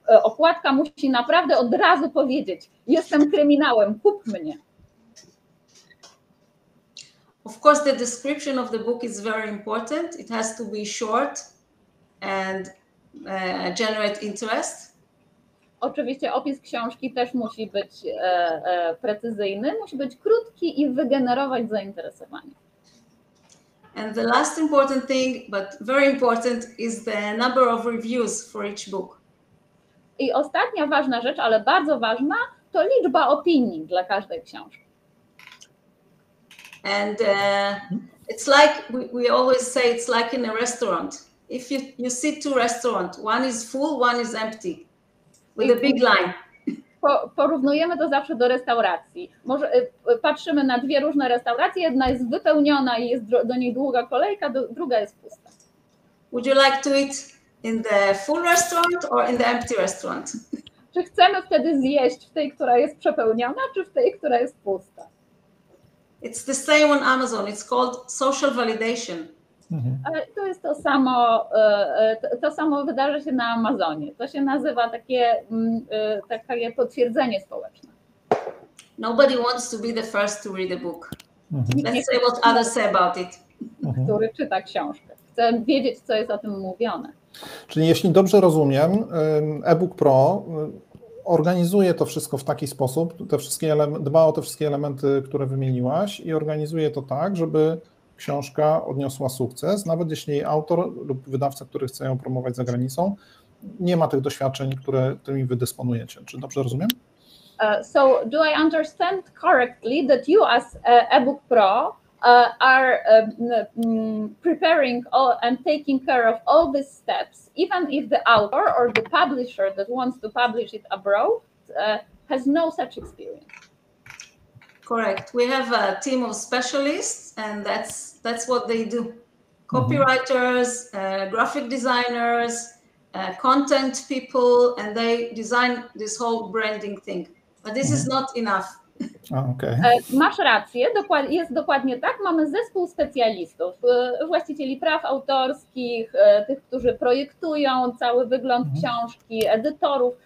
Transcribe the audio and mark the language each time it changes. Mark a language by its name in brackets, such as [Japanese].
[Polish] Okładka musi naprawdę od razu powiedzieć, jestem kryminałem, kup mnie. [English] Of course, the description of the book is very important. It has to be short and generate interest. [Polish] Oczywiście opis książki też musi być precyzyjny, musi być krótki i wygenerować zainteresowanie. [English] And the last important thing, but very important, is the number of reviews for each book. [Polish] I ostatnia ważna rzecz, ale bardzo ważna, to liczba opinii dla każdej książki. [English] And it's like we always say, it's like in a restaurant. If you sit two restaurants, one is full, one is empty. With a big line. [Polish] Porównujemy to zawsze do restauracji. Może patrzymy na dwie różne restauracje, jedna jest wypełniona i jest do niej długa kolejka, druga jest pusta. [English] Would you like to eat in the full restaurant or in the empty restaurant? [Polish] Czy chcemy wtedy zjeść w tej, która jest przepełniona, czy w tej, która jest pusta? [English] It's the same on Amazon. It's called social validation. [Polish] Ale to jest to samo, wydarza się na Amazonie. To się nazywa takie potwierdzenie społeczne. [English] Nobody wants to be the first to read a book. Let's say what others say about it. [Polish] Który czyta książkę. Chcę wiedzieć, co jest o tym mówione. Czyli jeśli dobrze rozumiem, eBook Pro organizuje to wszystko w taki sposób, dba o te wszystkie elementy, które wymieniłaś, i organizuje to tak, żeby książka odniosła sukces, nawet jeśli jej autor lub wydawca, który chce ją promować za granicą, nie ma tych doświadczeń, które tymi wy dysponujecie. Czy dobrze rozumiem? [English] So, do I understand correctly that you as eBook Pro are preparing all and taking care of all these steps, even if the author or the publisher that wants to publish it abroad has no such experience? Correct. We have a team of specialists, and that's what they do. Copywriters, graphic designers, content people, and they design this whole branding thing. But this is not enough. Okay. [Polish] Masz rację, jest dokładnie tak. Mamy zespół specjalistów, właścicieli praw autorskich, tych, którzy projektują cały wygląd książki, edytorów.